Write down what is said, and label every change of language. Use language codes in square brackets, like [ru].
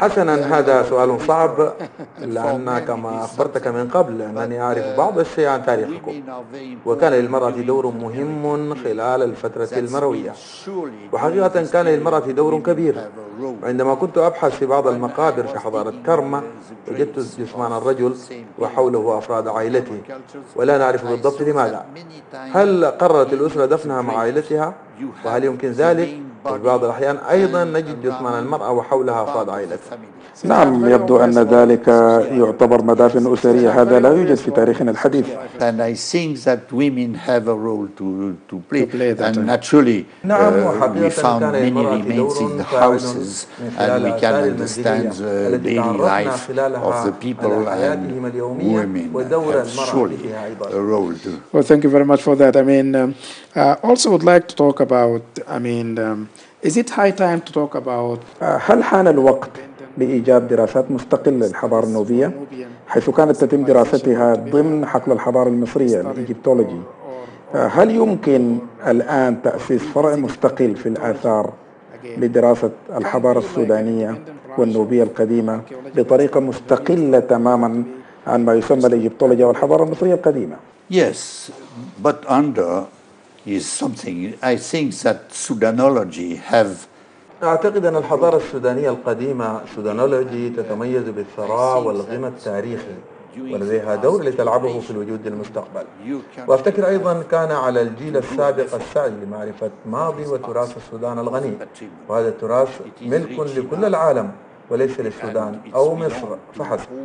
[ar] حسنا، هذا سؤال صعب، لأن كما أخبرتك من قبل أنني أعرف بعض الشيء عن تاريخكم. وكان للمرأة دور مهم خلال الفترة المروية، وحقيقة كان للمرأة دور كبير. عندما كنت أبحث في بعض المقابر في حضارة كرمة، وجدت جثمان الرجل وحوله أفراد عائلته، ولا نعرف بالضبط لماذا. هل قررت الأسرة دفنها مع عائلتها؟ وهل يمكن ذلك؟ وفي بعض الأحيان أيضا نجد جثمان المرأة وحولها أفراد عائلتها. نعم، يبدو أن ذلك يعتبر مدافن أسرية، هذا لا يوجد في تاريخنا الحديث. [en] And I think that women have a role to play. And naturally, we found many remains in the houses, and we can understand the daily life of the people and women have surely a role to. Well, thank you very much for that. I mean, also would like to talk about. Is it high time to talk about? [ar] هل حان الوقت بإيجاد دراسات مستقلة للحضارة النوبية، حيث كانت تتم دراستها ضمن حقل الحضارة المصرية الإيجيبتولوجي؟ هل يمكن الآن تأسيس فرع مستقل في الآثار لدراسة الحضارة السودانية والنوبية القديمة بطريقة مستقلة تماما عن ما يسمى الإيجيبتولوجيا والحضارة المصرية القديمة؟ [en] Yes, but under is something I think that Sudanology have. [ar] أعتقد أن الحضارة السودانية القديمة سودانولوجي تتميز بالثراء والغنى التاريخي ولديها دور لتلعبه في الوجود المستقبل. وأفتكر أيضا كان على الجيل السابق السعي لمعرفة ماضي وتراث السودان الغني، وهذا التراث ملك لكل العالم وليس للسودان أو مصر فحسب.